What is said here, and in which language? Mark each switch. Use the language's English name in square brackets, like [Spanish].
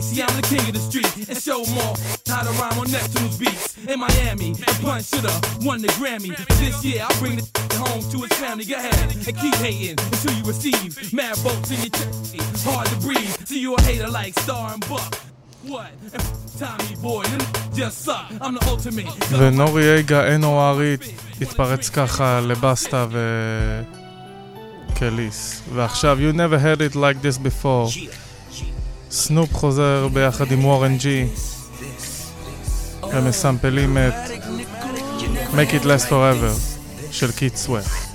[English] See, I'm the king of the street. And show more how to rhyme on Neptune's beats. In Miami, a punch should have won the Grammy. This year, I bring the home to his family. Go ahead and keep hating until you receive mad bolts in your chest. Hard to breathe. See, you a hater like Star and Buck. [Hebrew] ונוריאגה NORE התפרץ ככה לבסטה ו... קליס. ועכשיו, [English] you never heard it like this before. [Hebrew] סנופ חוזר ביחד עם וורן ג'י. הם מסמפלים את Make It Last Forever של קיט סוויפט.